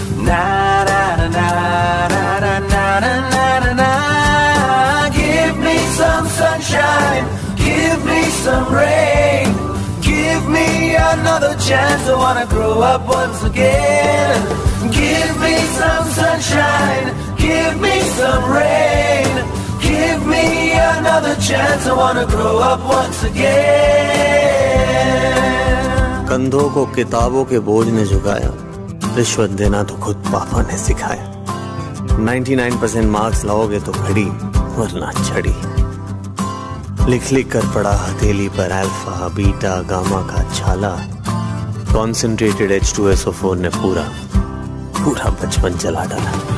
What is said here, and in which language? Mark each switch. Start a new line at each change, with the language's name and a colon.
English: ना ना ना ना ना ना ना ना ना ना ना ना ना ना ना ना give me some sunshine, give me some rain, give me another chance, I wanna grow up once again. Give me some sunshine, give me some rain, give me another chance, I wanna grow up once again.
Hindi: कंधों को किताबों के बोझ ने झुकाया, रिश्वत देना तो खुद पापा ने सिखाया, 99% मार्क्स लाओगे तो घड़ी वरना छड़ी, लिख लिख कर पढ़ा हथेली पर अल्फा बीटा गामा का छाला, कॉन्सेंट्रेटेड H2SO4 ने पूरा पूरा बचपन जला डाला।